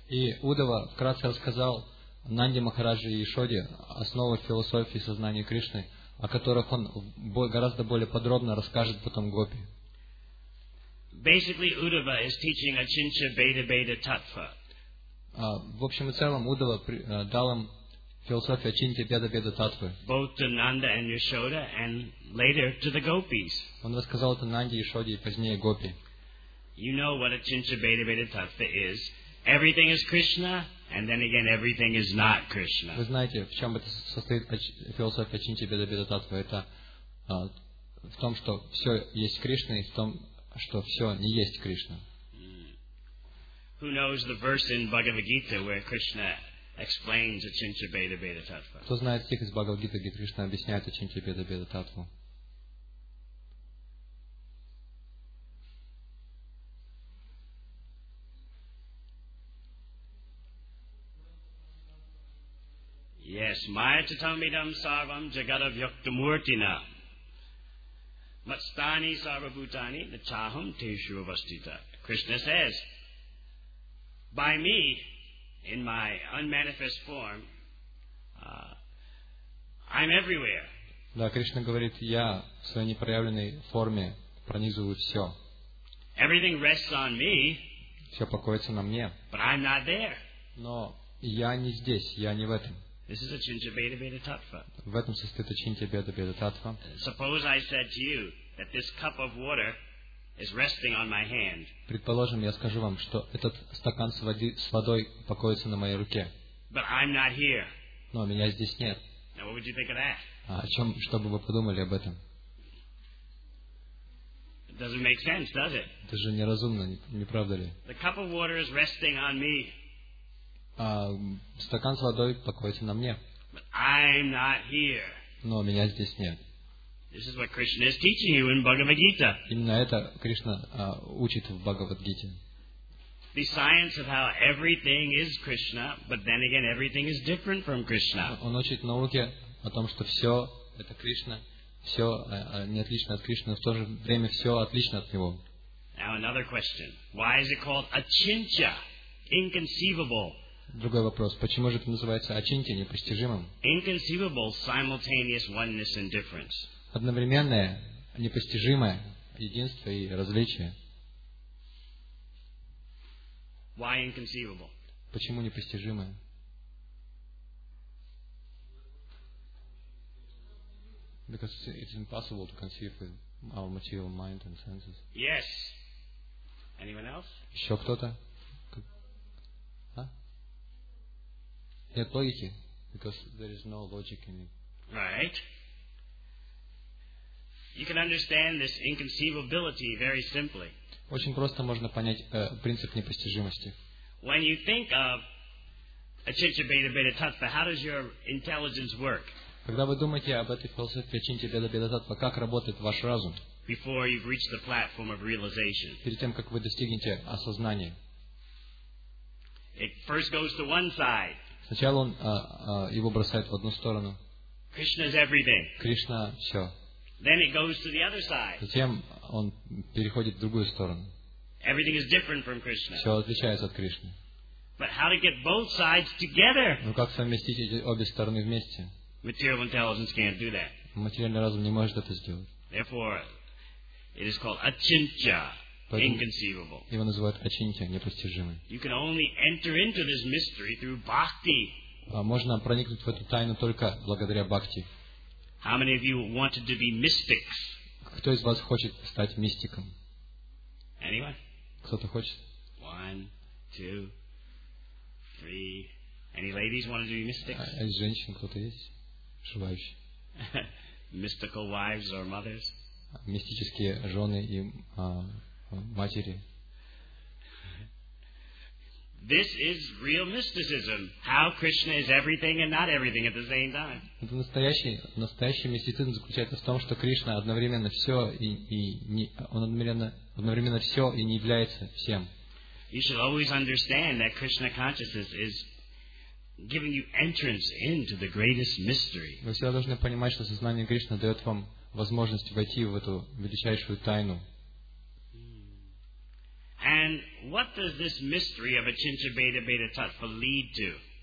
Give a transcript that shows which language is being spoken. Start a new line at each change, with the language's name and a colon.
Russian: И Удава вкратце рассказал Нанде Махараджу и Яшоде основы философии сознания Кришны, о которых он гораздо более подробно расскажет потом гопи.
English: Basically, Uddhava is teaching Achincha Beda Beda Tattva.
Russian: В общем и целом, Удава дал им философию Ачинчи Беда Беда Таттвы.
English: Both to Nanda and Yashoda, and later to the gopis.
Russian: Он рассказал это Нанде, Яшоде и позднее гопи.
English: You know what Achincha Beda Beda Tattva is. Everything is Krishna, and then again, everything is not Krishna.
Russian: Вы знаете, в чем это состоит философия Ачинчи Беда Беда Таттвы? Это в том, что все есть Кришна, и в том, что все не есть Кришна.
English: Who knows the verse in Bhagavad Gita where Krishna explains Achincha Beda Beda Tattva?
Russian: Кто знает стих из Бхагавад Гиты, где Кришна объясняет Ачинчи Беда Беда Таттву?
Sanskrit: Yes, Maya Chatamidam Sarvam Jagadav Yaktamurtina Matstani Sarvabhutani Nachaham Teshu Vastita.
English: Krishna says, by me, in my unmanifest form, I'm everywhere.
Russian: Да, Кришна говорит, я в своей непроявленной форме пронизываю все.
English: Everything rests on me.
Russian: Все покоится на мне.
English: But I'm not there.
Russian: Но я не здесь, я не в этом.
English: This is Achincha Beda Beda Tattva.
Russian: В этом состоит Ачинчи Беда Беда Таттва.
English: Suppose I said to you that this cup of water is resting on my hand.
Russian: Предположим, я скажу вам, что этот стакан с водой покоится на моей руке.
English: But I'm not here.
Russian: Но меня здесь нет.
English: Now what would you think of that?
Russian: О чем, что бы вы подумали об этом?
English: It doesn't make sense, does it?
Russian: Это же неразумно, не правда ли?
English: The cup of water is resting on me.
Russian: Стакан с водой покоится на мне.
English: But I'm not here.
Russian: Но меня здесь нет.
English: This is what Krishna is teaching you in Bhagavad Gita.
Russian: Именно это Кришна учит в Бхагавад Гите.
English: The science of how everything is Krishna, but then again, everything is different from Krishna.
Russian: Он учит науке о том, что все это Кришна, все не отлично от Кришны, но в то же время все отлично от него.
English: Now another question: why is it called Achincha? Inconceivable.
Russian: другой вопрос. Почему же это называется ачинтья, непостижимым?
English: Inconceivable simultaneous oneness and difference.
Russian: Одновременное, непостижимое единство и различие.
English: Why inconceivable?
Russian: Почему непостижимое?
English: Because it's impossible to conceive with our material mind and senses. Yes. Anyone else?
Russian: Еще кто-то? А? Нет логики?
English: Because there is no logic in it. Right. You can understand this inconceivability very simply.
Russian: Очень просто можно понять принцип непостижимости.
English: When you think of Achintya Bheda Bheda Tattva, how does your intelligence work?
Russian: Когда вы думаете об этой философии Ачинтья Бхеда Бхеда Таттва, как работает ваш разум?
English: Before you've reached the platform of realization.
Russian: Перед тем, как вы достигнете осознания.
English: It first goes to one side.
Russian: Сначала он его бросает в одну сторону.
English: Krishna's everything.
Russian: Кришна – все.
English: Then it goes to the other side.
Russian: Затем он переходит в другую сторону.
English: Everything is different from Krishna.
Russian: Все отличается от Кришны.
English: But how to get both sides together?
Russian: Ну как совместить эти обе стороны вместе?
English: Material intelligence can't do that.
Russian: Материальный разум не может это сделать.
English: Therefore, it is called achintya, inconceivable.
Russian: Его называют ачинтья, непостижимый.
English: You can only enter into this mystery through bhakti.
Russian: Можно проникнуть в эту тайну только благодаря бхакти.
English: How many of you wanted to be mystics?
Russian: Кто из вас хочет стать мистиком?
English: Anyone?
Russian: Кто-то хочет?
English: One, two, three. Any ladies want to be mystics?
Russian: А из женщин кто-то есть?
English: Mystical wives or mothers?
Russian: Мистические жены и матери.
English: This is real mysticism. How Krishna is everything and not everything at the same time.
Russian: Это настоящий мистицизм заключается в том, что Кришна одновременно все и не он одновременно все и не является всем.
English: You should always understand that Krishna consciousness is giving you entrance into the greatest mystery.
Russian: Вы всегда должны понимать, что сознание Кришны дает вам возможность войти в эту величайшую тайну.
English: And what does this mystery of Achintya Bheda Bheda Tattva lead to?